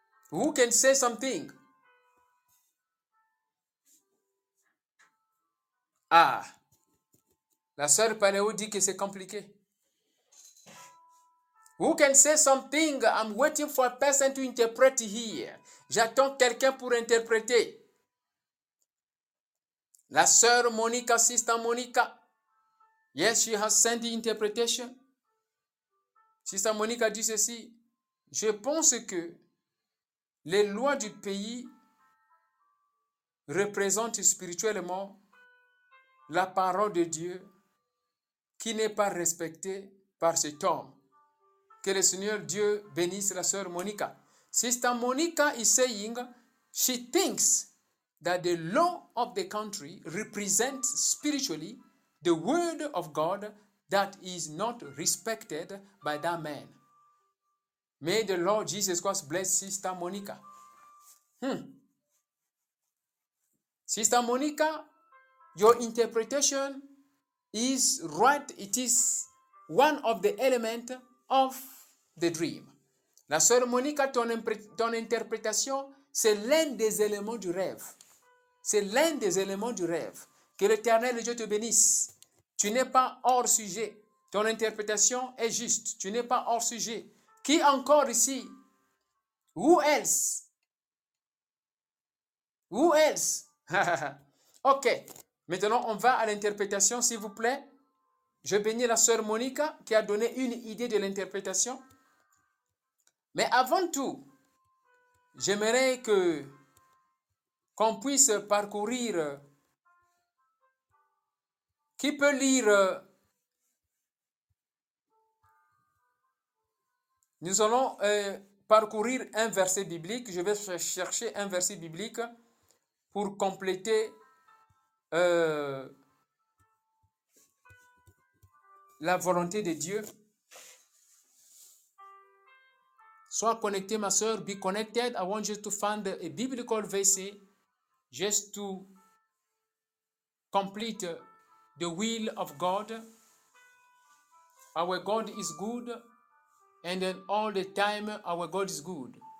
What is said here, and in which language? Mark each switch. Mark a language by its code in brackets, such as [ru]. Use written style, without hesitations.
[en] Who can say something? [fr] Ah, la sœur Paléo dit que c'est compliqué. [en] Who can say something? I'm waiting for a person to interpret here. [fr] J'attends quelqu'un pour interpréter. [en] La sœur Monica, Sister Monica. Yes, she has sent the interpretation. [fr] Sister Monica dit ceci. Je pense que les lois du pays représentent spirituellement la parole de Dieu qui n'est pas respectée par cet homme. Que le Seigneur Dieu bénisse la sœur Monica. [en] Sister Monica is saying she thinks that the law of the country represents spiritually the word of God that is not respected by that man. May the Lord Jesus Christ bless Sister Monica. Sister Monica, your interpretation is right. It is one of the elements of the dream. [fr] La sœur Monica, ton interprétation, c'est l'un des éléments du rêve. C'est l'un des éléments du rêve. Que l'Éternel Dieu te bénisse. Tu n'es pas hors sujet. Ton interprétation est juste. Tu n'es pas hors sujet. Qui encore ici? [en] Who else? Who else? OK. [fr] Maintenant, on va à l'interprétation, s'il vous plaît. Je bénis la sœur Monica qui a donné une idée de l'interprétation. Mais avant tout, j'aimerais qu'on puisse parcourir. Qui peut lire? Nous allons parcourir un verset biblique. Je vais chercher un verset biblique pour compléter la volonté de Dieu. Sois connecté, ma soeur. [en] Be connected. I want you to find a biblical verse just to complete the will of God. Our God is good. And then all the time, our God is good.